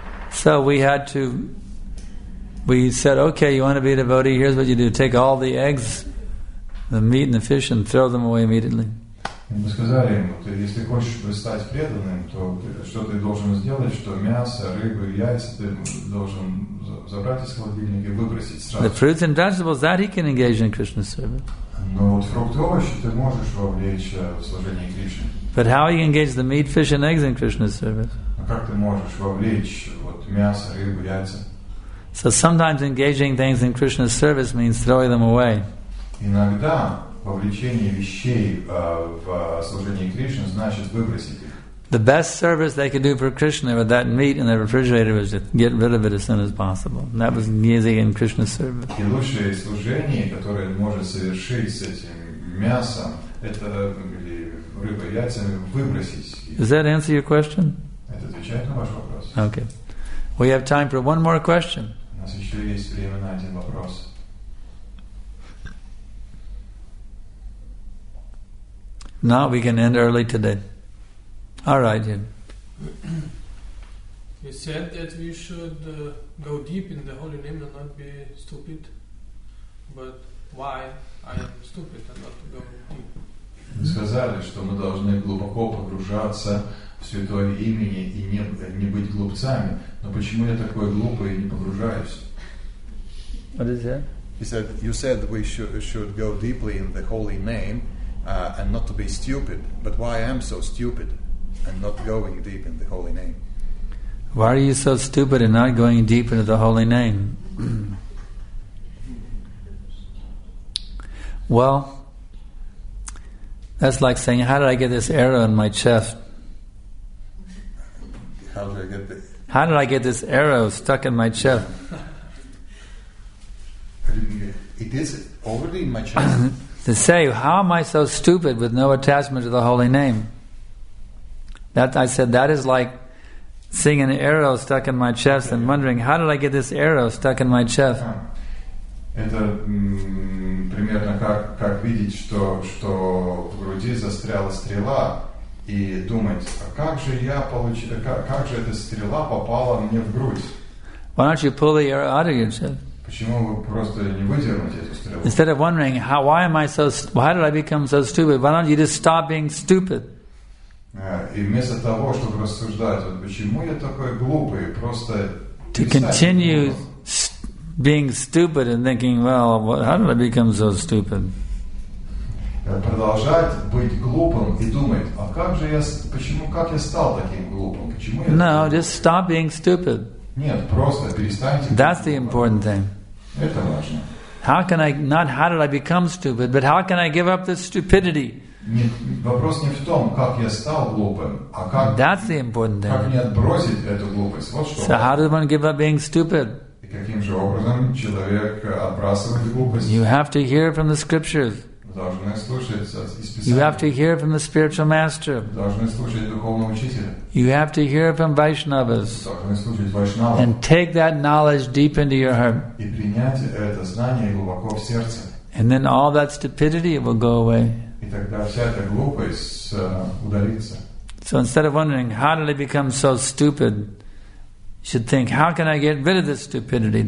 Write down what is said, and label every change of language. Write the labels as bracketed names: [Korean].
[English] So we said, okay, you want to be a devotee, here's what you do. Take all the eggs, the meat and the fish and throw them away immediately. [Russian] Мы сказали ему, ты, если хочешь стать преданным, то что ты должен сделать, что мясо, рыбу, яйца ты должен забрать из холодильника и выбросить сразу. [English] The fruits and vegetables, that he can engage in Krishna service. [Russian] Но вот фрукты, овощи ты можешь вовлечь в служение Кришне. [English] But how you engage the meat, fish and eggs in Krishna service? [Russian] А как ты можешь вовлечь вот мясо, рыбу, яйца? [English] So sometimes engaging things in Krishna service means throwing them away. [Russian] Иногда вовлечение вещей в служение Кришне значит выбросить их. [English] The best service they could do for Krishna with that meat in the refrigerator was to get rid of it as soon as possible. And that was easy in Krishna's service. [Russian] И лучшее служение, которое может совершить с этим мясом, это рыба, яйцами выбросить. [English] Does that answer your question? [Russian] Это отвечает на ваш вопрос. [English] Okay. We have time for one more question. [Russian] У нас еще есть время на один вопрос. [English] Now we can end early today. All right, Jim. You said that we should go deep in the holy name and not be stupid. But why I am stupid and not to go deep? [Russian] Вы сказали, что мы должны глубоко погружаться в святое имя и не быть глупцами. Но почему я такой глупый и не погружаюсь? [English] What is that? You said we should go deeply in the holy name. And not to be stupid, but why I am so stupid and not going deep in the holy name? Why are you so stupid and not going deep into the holy name? Well, that's like saying, how did I get this arrow in my chest? How did I get this? How did I get this arrow stuck in my chest? It is already in my chest. To say, how am I so stupid with no attachment to the holy name? That I said, that is like seeing an arrow stuck in my chest and wondering, how did I get this arrow stuck in my chest? [Russian] Это примерно как видеть, что в груди застряла стрела, и думать, а как же я получил, как же эта стрела попала мне в грудь? [English] Why don't you pull the arrow out of your chest? [Russian] Почему вы просто не выдернете эту стрелу? [English] Instead of wondering why did I become so stupid? Why don't you just stop being stupid? [Russian] И вместо того, чтобы рассуждать, вот почему я такой глупый, просто [English] to continue being stupid and thinking, well, how did I become so stupid? [Russian] Продолжать быть глупым и думать, а как же я, почему, как я стал таким глупым? Почему я? [English] No, just stop being stupid. [Russian] Нет, просто перестаньте. [English] That's the important thing. [Russian] Это важно. [English] How can I not? How did I become stupid? But how can I give up this stupidity? [Russian] Вопрос не в том, как я стал глупым, а как. [English] That's the important thing. [Russian] Как мне отбросить эту глупость? Вот что. [English] So how does one give up being stupid? [Russian] И каким же образом человек отбрасывает глупость? [English] You have to hear from the scriptures. [Russian] Должны слушать из Писания. [English] You have to hear from the spiritual master. [Russian] Должны слушать духовного учителя. [English] You have to hear from Vaishnavas. [Russian] Должны слушать Вайшнавов. [English] And take that knowledge deep into your heart. [Russian] И принять это знание глубоко в сердце. [English] And then all that stupidity will go away. [Russian] И тогда вся эта глупость удалится. [English] So instead of wondering how did I become so stupid, you should think, how can I get rid of this stupidity?